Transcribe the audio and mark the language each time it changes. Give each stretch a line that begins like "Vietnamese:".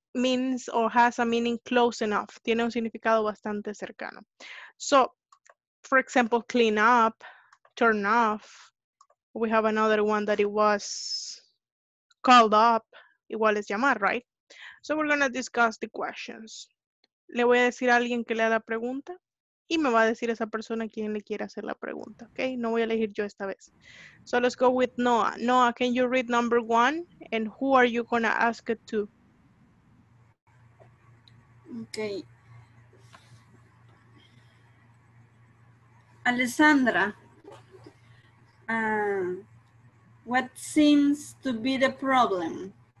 English: means or has a meaning close enough.
Spanish: Tiene un significado bastante cercano.
English: So, for example, clean up, turn off. We have another one that it was called up.
Spanish: Igual es llamar,
English: right? So we're going to discuss the questions.
Spanish: Le voy a decir a alguien que le haga la pregunta y me va a decir esa persona quien le quiere hacer la pregunta, okay? No voy a elegir yo esta vez.
English: So let's go with Noah. Noah, can you read number one? And who are you going to ask it to? Okay. Alessandra, what seems to be the problem?